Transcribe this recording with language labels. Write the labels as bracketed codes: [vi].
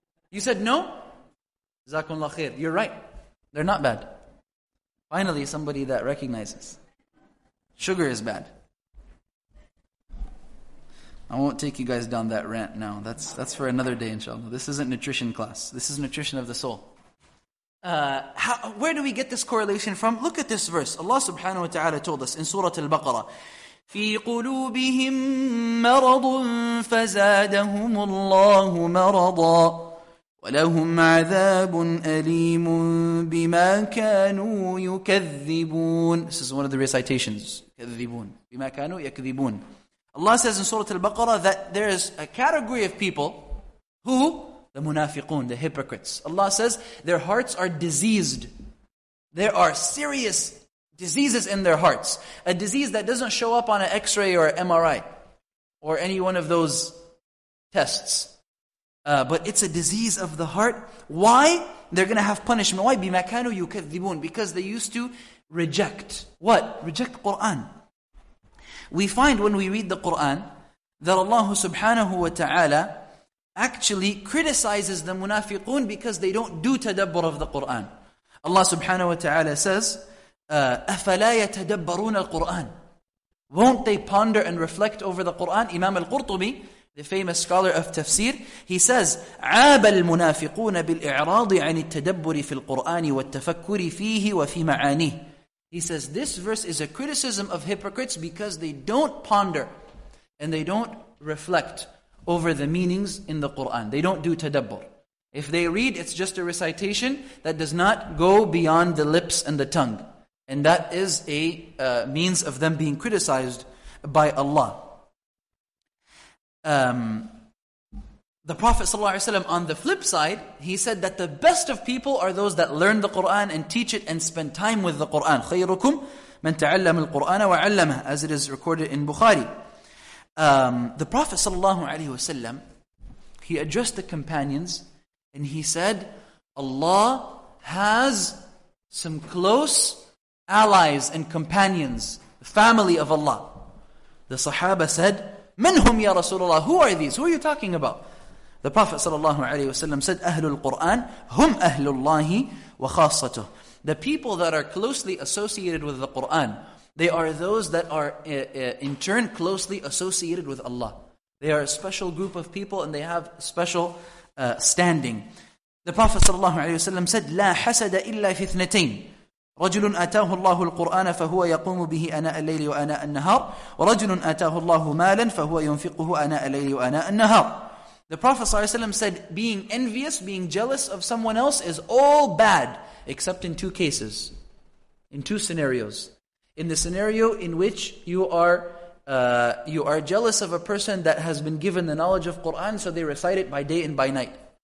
[en] You said no? Jazakumullah khair. You're right. They're not bad. Finally, somebody that recognizes. Sugar is bad. I won't take you guys down that rant now. That's for another day, inshallah. This isn't nutrition class. This is nutrition of the soul. Where do we get this correlation from? Look at this verse. Allah subhanahu wa ta'ala told us in Surah Al-Baqarah, [ar] فِي قُلُوبِهِمْ مَرَضٌ فَزَادَهُمُ اللَّهُ مَرَضًا وَلَهُمْ عَذَابٌ أَلِيمٌ بِمَا كَانُوا يُكَذِّبُونَ. [en] This is one of the recitations. [ar] كذبون. بِمَا كَانُوا يَكْذِبُونَ. [en] Allah says in Surah Al-Baqarah that there is a category of people who, the munafiqun, the hypocrites. Allah says their hearts are diseased. There are serious diseases in their hearts. A disease that doesn't show up on an x-ray or an MRI or any one of those tests. But it's a disease of the heart. Why? They're going to have punishment. Why? [ar] بِمَكَانُوا يُكَذِّبُونَ. [en] Because they used to reject. What? Reject Qur'an. We find when we read the Qur'an that Allah subhanahu wa ta'ala actually criticizes the munafiqun because they don't do tadabbur of the Qur'an. Allah subhanahu wa ta'ala says, [ar] أَفَلَا يَتَدَبَّرُونَ الْقُرْآنَ. [en] Won't they ponder and reflect over the Qur'an? Imam al-Qurtubi, the famous scholar of tafsir, he says, [ar] عَابَ الْمُنَافِقُونَ بِالْإِعْرَاضِ عَنِ التَّدَبُّرِ فِي الْقُرْآنِ وَالتَّفَكُّرِ فِيهِ وَفِي مَعَانِهِ. [en] He says, this verse is a criticism of hypocrites because they don't ponder and they don't reflect over the meanings in the Qur'an. They don't do tadabbur. If they read, it's just a recitation that does not go beyond the lips and the tongue. And that is a means of them being criticized by Allah. The Prophet ﷺ, on the flip side, he said that the best of people are those that learn the Qur'an and teach it and spend time with the Qur'an. [ar] خَيْرُكُمْ مَنْ تَعَلَّمُ الْقُرْآنَ وَعَلَّمَهُ, [en] as it is recorded in Bukhari. The Prophet ﷺ, he addressed the companions and he said, Allah has some close allies and companions, the family of Allah. The Sahaba said, [ar] مَنْهُمْ يَا رَسُولَ اللَّهِ. [en] Who are these? Who are you talking about? The Prophet ﷺ said, [ar] أهل القرآن هم أهل الله وخاصته. [en] The people that are closely associated with the Qur'an, they are those that are in turn closely associated with Allah. They are a special group of people and they have special standing. The Prophet ﷺ said, [ar] لا حسد إلا في اثنتين. رجل آتاه الله القرآن فهو يقوم به آناء الليل وآناء النهار ورجل آتاه الله مالا فهو ينفقه آناء الليل وآناء النهار. [en] The Prophet ﷺ said, being envious, being jealous of someone else is all bad, except in two cases, in two scenarios. In the scenario in which you are jealous of a person that has been given the knowledge of Qur'an, so they recite it by day and by night.